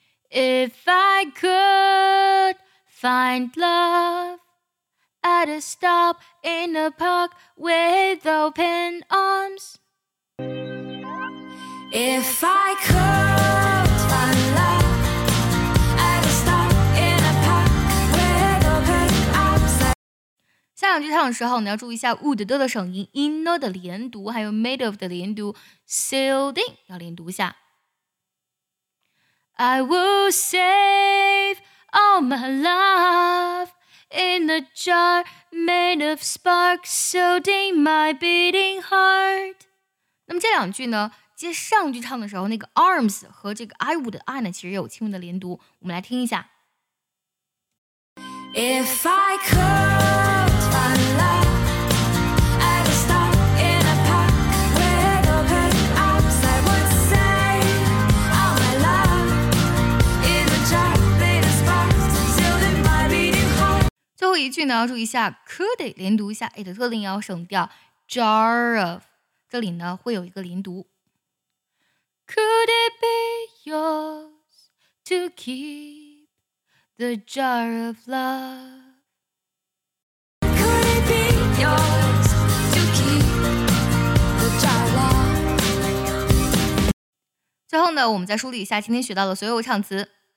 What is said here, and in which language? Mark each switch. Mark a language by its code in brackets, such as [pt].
[en] If I could find love at a stop in a park with open arms. If I could find love at a stop in a park with open arms. [zh] 下两句唱的时候你要注意一下 would 的声音， in 的连读，还有 [en] made of [zh] 的连读， [en] sealed in [zh] 要连读一下。 [en] I will save all my love in a jar made of sparks sealed in my beating heart. [zh] 那么这两句呢，接上句唱的时候，那个 arms 和这个 [en] I would [zh] 的 I 呢，其实有轻微的连读。我们来听一下。 [en] If I could find love at a stop in a park with open arms, I would save all my love in a jar made of sparks sealed in my beating heart. [zh] 最后一句呢，要注意一下 could 连读一下 it 的特定要省掉 [en] jar of， [zh] 这里呢会有一个连读。 [en] Could it be yours to keep the jar of love? Could it be yours to keep the jar of love? [zh] 最后呢，我们再梳理一下今天学到的所有唱词。